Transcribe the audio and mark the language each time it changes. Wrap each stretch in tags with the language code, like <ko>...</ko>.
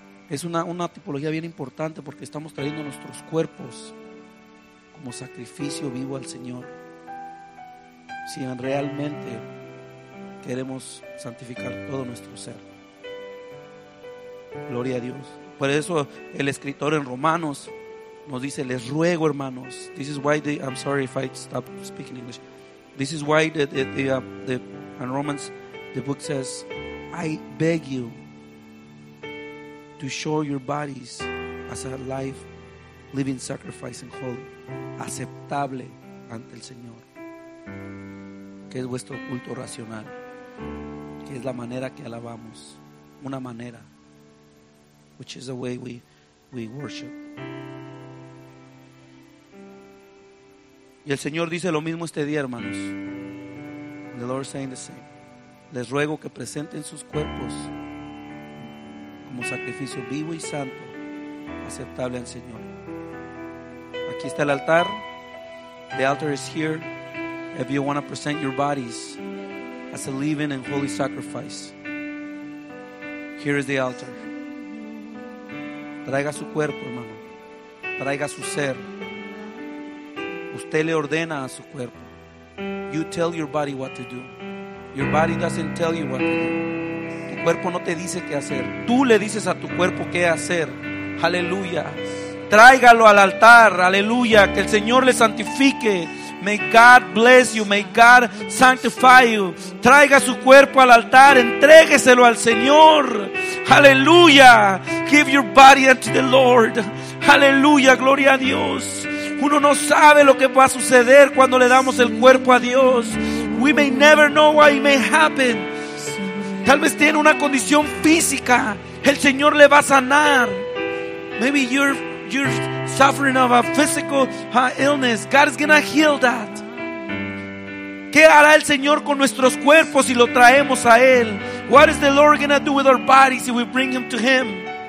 <es>Es una tipología bien importante porque estamos trayendo nuestros cuerpos como sacrificio vivo al Señor. Si realmente queremos santificar todo nuestro ser. Gloria a Dios. Por eso el escritor en Romanos nos dice, les ruego, hermanos.</es> <en>This is why the, I'm sorry if I stop speaking English. This is why the in Romans, the book says, I beg you to show your bodies as a life, living sacrifice and holy,</en> <es>aceptable ante el Señor. Que es vuestro culto racional. Que es la manera que alabamos. Una manera.</es> <en>Which is the way we worship.</en> <es>Y el Señor dice lo mismo este día, hermanos.</es> <en>The Lord is saying the same.</en> <es>Les ruego que presenten sus cuerpos como sacrificio vivo y santo, aceptable al Señor. Aquí está el altar.</es> <en>The altar is here. If you want to present your bodies as a living and holy sacrifice, here is the altar.</en> <es>Traiga su cuerpo, hermano. Traiga su ser. Usted le ordena a su cuerpo.</es> <en>You tell your body what to do. Your body doesn't tell you what to do.</en> <es>Tu cuerpo no te dice qué hacer. Tú le dices a tu cuerpo qué hacer. Aleluya. Tráigalo al altar. Aleluya. Que el Señor le santifique.</es> <en>May God bless you. May God sanctify you.</en> <es>Traiga su cuerpo al altar. Entrégueselo al Señor. Aleluya.</es> <en>Give your body unto the Lord. Aleluya.</en> <es>Gloria a Dios. Uno no sabe lo que va a suceder cuando le damos el cuerpo a Dios.</es> <en>We may never know what may happen.</en> <es>Tal vez tiene una condición física. El Señor le va a sanar.</es> <en>Maybe you're suffering of a physical illness. God is going to heal that.</en> <es>¿Qué hará el Señor con nuestros cuerpos si lo traemos a Él?</es> <en>What is the Lord going to do with our bodies if we bring Him to Him?</en>